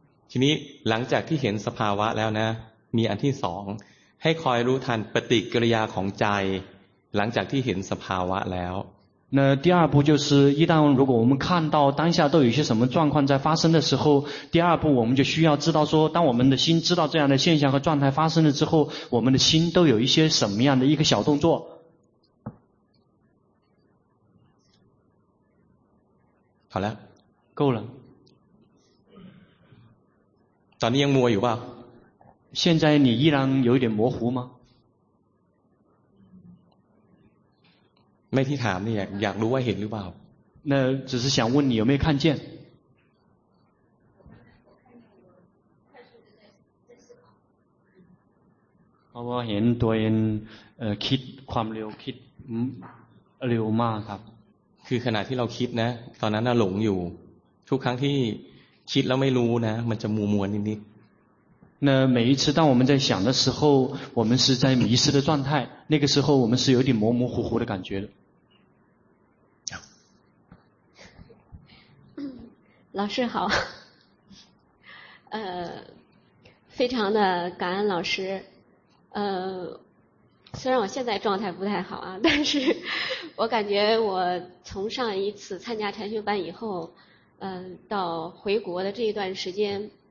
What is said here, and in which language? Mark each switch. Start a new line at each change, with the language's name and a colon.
Thai: ทีนี้หลังจากที่เห็นสภาวะแล้วนะมีอันที่สองให้คอยรู้ทันปฏิกิริยาของใจหลังจากที่เห็นสภาวะแล้ว
Chinese: 那第二步就是一旦如果我们看到当下都有些什么状况在发生的时候第二步我们就需要知道说当我们的心知道这样的现象和状态发生了之后我们的心都有一些什么样的一个小动作好了够了
Thai: ตอนนี้ยังมัวอยู่ป่ะ
Chinese: 现在你依然有一点模糊吗
Thai: ไม่ที่ถามเนี่ยอยากรู้ว่าเห็นหรือเปล่า
Chinese: 那只是想问你有没有看见
Thai: เพราะว่าเห็นตัวเองคิดความเร็วคิดเร็วมากครับ คือขณะที่เราคิดนะตอนนั้นน่ะหลงอยู่ทุกครั้งที่คิดแล้วไม่รู้นะมันจะมัวๆนิด
Chinese: ๆ那每一次当我们在想的时候我们是在迷失的状态那个时候我们是有点模模糊糊的感觉的老师好非常的感恩老师虽然我现在状态不太好啊但是我感觉我从上一次参加禅修班以后到回国的这一段时间